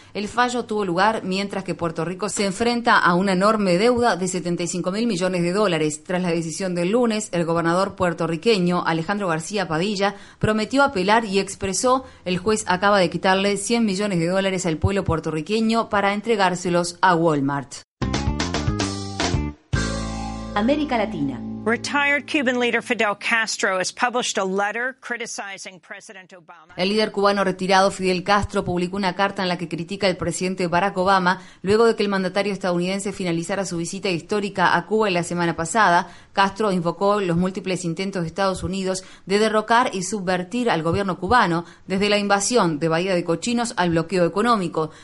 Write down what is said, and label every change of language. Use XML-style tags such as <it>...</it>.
<es>El fallo tuvo lugar mientras que Puerto Rico se enfrenta a una enorme deuda de 75 mil millones de dólares. Tras la decisión del lunes, el gobernador puertorriqueño Alejandro García Padilla prometió apelar y expresó: el juez acaba de quitarle 100 millones de dólares al pueblo puertorriqueño para entregárselos a Walmart. América Latina.</es> <en>Retired Cuban leader Fidel Castro has published a letter criticizing President Obama.</en> <es>El líder cubano retirado Fidel Castro publicó una carta en la que critica al presidente Barack Obama luego de que el mandatario estadounidense finalizara su visita histórica a Cuba la semana pasada. Castro invocó los múltiples intentos de Estados Unidos de derrocar y subvertir al gobierno cubano, desde la invasión de Bahía de Cochinos al bloqueo económico.</es>